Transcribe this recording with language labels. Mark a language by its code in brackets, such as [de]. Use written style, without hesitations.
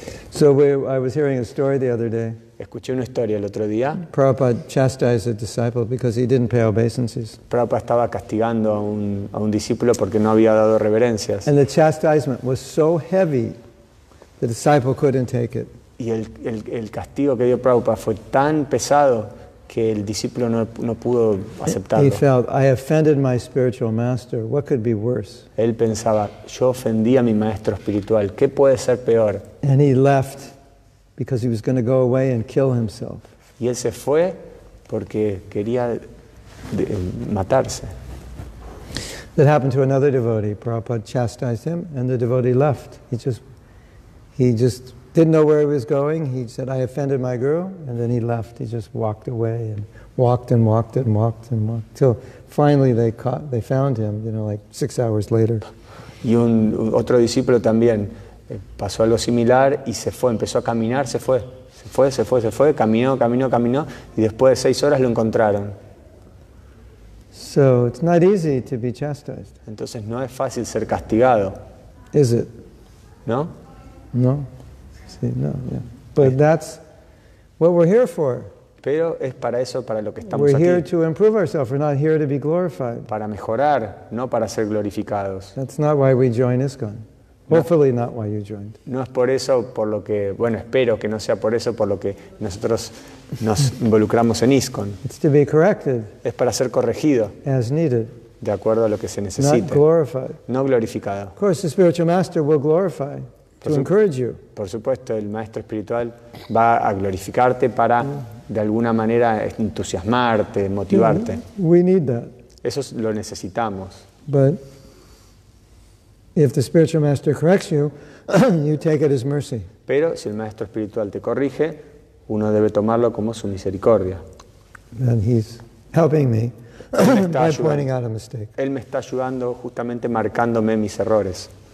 [en] So I was hearing a story the other day. [es] Escuché una historia el otro día. [en] Prabhupada chastised a disciple because he didn't pay obeisances. [es] Prabhupada estaba castigando a un discípulo porque no había dado reverencias. [en] And the chastisement was so heavy, the disciple couldn't take it. [es] Y el castigo que dio Prabhupada fue tan pesado que el discípulo no pudo aceptarlo. [en] He felt, I offended my spiritual master. What could be worse? [es] Él pensaba, yo ofendí a mi maestro espiritual. ¿Qué puede ser peor? [en] And he left because he was going to go away and kill himself. [es] Y él se fue porque quería matarse. [en] That happened to another devotee. Prabhupada chastised him and the devotee left. He just didn't know where he was going. He said, I offended my guru. And then he left. He just walked away and walked and walked and walked and walked. Till finally they found him, you know, like 6 hours later. [es] Y un otro discípulo también pasó algo similar y se fue. Empezó a caminar, se fue. Se fue, se fue, se fue. Caminó, caminó, caminó. Y después de 6 horas lo encontraron. [en] So it's not easy to be chastised. [es] Entonces no es fácil ser castigado. [en] Is it? [es] No. [en] No. No, yeah. But that's what we're here for. [es] Pero es para eso para lo que estamos [en] we're [es] aquí. [en] We're here to improve ourselves. We're not here to be glorified. [es] Para mejorar, no para ser glorificados. [en] That's not why we join ISKCON. No. Hopefully not why you joined. [es] No es por eso por lo que, bueno, espero que no sea por eso por lo que nosotros nos involucramos en ISKCON. [en] It's to be corrected. [es] Es para ser corregido. [en] As needed. [es] De acuerdo a lo que se necesite. [en] Not glorified. [es] No glorificado. [en] Of course, the spiritual master will glorify. To encourage you. [es] Por supuesto, el maestro espiritual va a glorificarte para, de alguna manera, entusiasmarte, motivarte. [en] We need that. [es] Eso lo necesitamos. [en] But if the spiritual master corrects you, you take it as mercy. [es] Pero si el maestro espiritual te corrige, uno debe tomarlo como su misericordia. [en] And he's helping me by pointing out a mistake. [es] Él me está ayudando justamente marcándome mis errores.